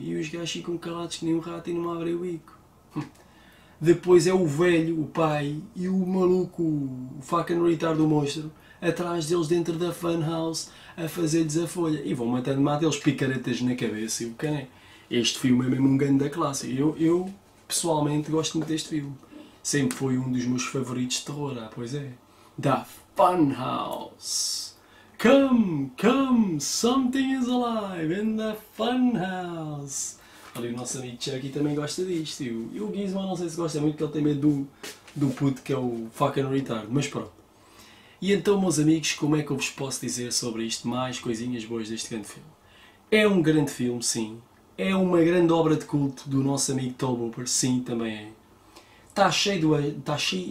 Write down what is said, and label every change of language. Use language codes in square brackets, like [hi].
[pt] E os gajos ficam calados que nem um rato e não abrem o bico. Depois é o velho, o pai, e o maluco, o [en] fucking retard [pt] do monstro, atrás deles dentro da Fun House, a fazer-lhes a folha. E vão matando mal deles, picaretas na cabeça e o cané. Este filme é mesmo um ganda classe. Eu, pessoalmente, gosto muito deste filme. Sempre foi um dos meus favoritos de terror, ah, pois é. Da Funhouse. [en] Come, come, something is alive in the Funhouse. [pt] Olha, o nosso amigo Chucky também gosta disto. E o Gizmo, não sei se gosta muito, porque ele tem medo do puto que é o [en] fucking retard, [pt] mas pronto. E então, meus amigos, como é que eu vos posso dizer sobre isto? Mais coisinhas boas deste grande filme. É um grande filme, sim. É uma grande obra de culto do nosso amigo Tobe Hooper, sim, também é. Está cheio de. Está cheio.